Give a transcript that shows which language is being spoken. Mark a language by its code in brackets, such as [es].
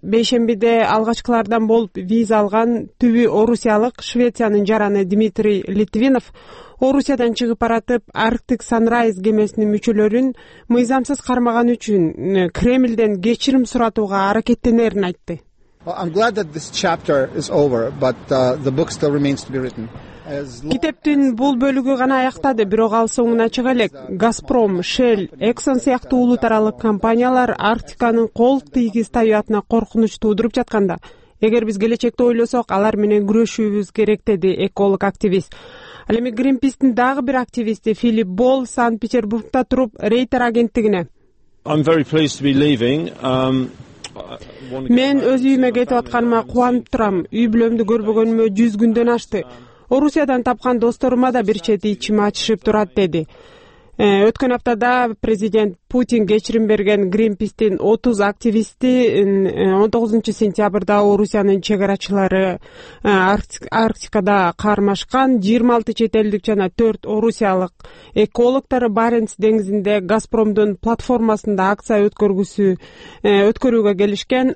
[ky] Бейшембиде алгачкылардан болуп виза алган түбү орусиялык Швециянын жараны Дмитрий Литвинов Орусиядан чыгып баратып, Арктик Санрайз кемесинин мүчөлөрүн мыйзамсыз кармаган үчүн Кремлден кечирим суратууга аракеттенерин айтты. [en] Well, I'm glad that this chapter is over, but the book still remains to be written. [ky] Китептин бул бөлүгү гана аяктады, бирок ал соңуна чыга элек. Газпром, Шел, Эксон сыяктуу улуу таралык компаниялар Арктиканын кол тийгиз табиятына коркунуч туудуруп жатканда, эгер биз келечекти ойлосок, алар менен күрөшүүбүз керек, деди эколог-активист. Ал эми Гринпистин дагы бир активисти Филипп Бол Санкт-Петербургда туруп Рейтер агенттигине: [en] I'm very pleased to be leaving. [ky] Мен өз үйүмө кетип атканыма кубанып турам. Үй бүлөмдү көрбөгөнүмө 100 күндөн ашты. Орусиядан тапкан досторума да бир чети ичим ачышып турат, деди. Өткөн аптада президент Путин кечирим берген Гринпистин 30 активисти 19 сентябрда Орусиянын чек арачылары Арктикада кармашкан 26 чет элдик жана 4 орусиялык экологтор Баренц деңизинде Газпромдун платформасында акция өткөрүүгө келишкен.